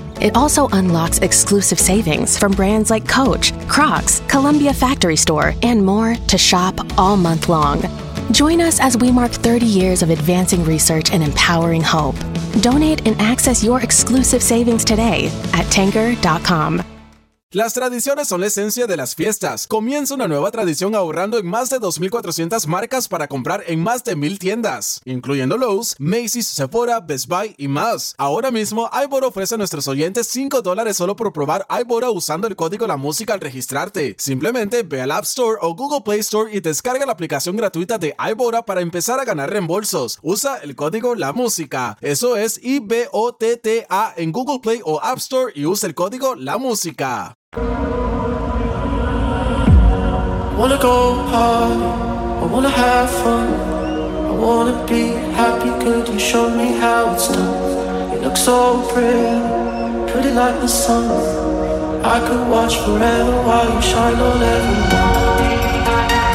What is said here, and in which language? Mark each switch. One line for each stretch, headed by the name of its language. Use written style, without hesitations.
English: It also unlocks exclusive savings from brands like Coach, Crocs, Columbia Factory Store, and more to shop all month long. Join us as we mark 30 years of advancing research and empowering hope. Donate and access your exclusive savings today at Tanger.com.
Spanish: Las tradiciones son la esencia de las fiestas. Comienza una nueva tradición ahorrando en más de 2,400 marcas para comprar en más de 1,000 tiendas, incluyendo Lowe's, Macy's, Sephora, Best Buy y más. Ahora mismo, iBora ofrece a nuestros oyentes $5 solo por probar iBora usando el código La Música al registrarte. Simplemente ve al App Store o Google Play Store y descarga la aplicación gratuita de iBora para empezar a ganar reembolsos. Usa el código La Música. Eso es IBOTTA en Google Play o App Store y usa el código La Música.
English: I wanna go hard, I wanna have fun, I wanna be happy, could you show me how it's done? You look so pretty, pretty like the sun. I could watch forever while you shine on everyone.